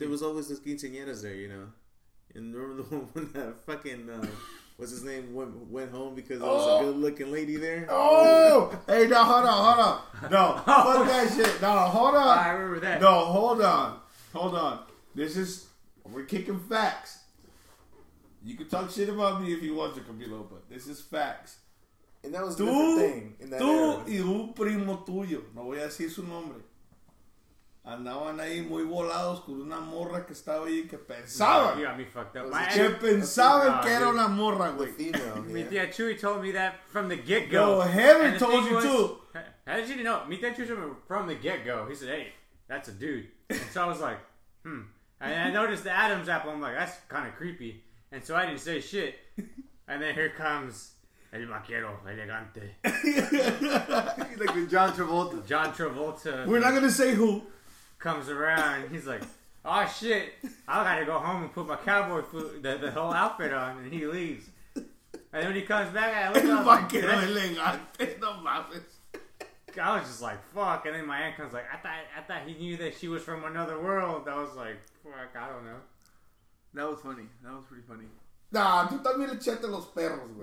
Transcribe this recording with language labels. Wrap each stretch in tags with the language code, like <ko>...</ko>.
<en>There was always those quinceañeras there, you know. And remember the one when that fucking what's his name went home because there was a good looking lady there? Oh! Hey, no, hold on. No, fuck that shit. No, hold on. I remember that. No, hold on. This is. We're kicking facts. You can talk shit about me if you want to, Camilo, but this is facts. And that was the thing.</en> <es>Tú y un primo tuyo, no voy a decir su nombre, andaban ahí muy volados con una morra que estaba ahí que pensaban.</es> <en>You got me fucked up.</en> <es>Que pensaban que era una morra, güey.</es> <en>Mi tía Chuy told me that from the get-go. No, Henry told you too. How did you know? Mi tía Chuy told me from the get-go. He said, hey, that's a dude. And so I was like, And I noticed the Adam's apple. I'm like, that's kind of creepy. And so I didn't say shit. And then here comes El Maquero Elegante. He's like the John Travolta. John Travolta. We're not going to say who. Comes around. He's like, oh, shit. I got to go home and put my cowboy food, the whole outfit on. And he leaves. And then when he comes back, I look at him.</en> <es>El Maquero Elegante. No mames.</es> <en>I was just like, fuck. And then my aunt comes like, I thought he knew that she was from another world. I was like, fuck, I don't know. That was funny. That was pretty funny.</en> <es>Nah, tú también le echaste los perros, güey.</es>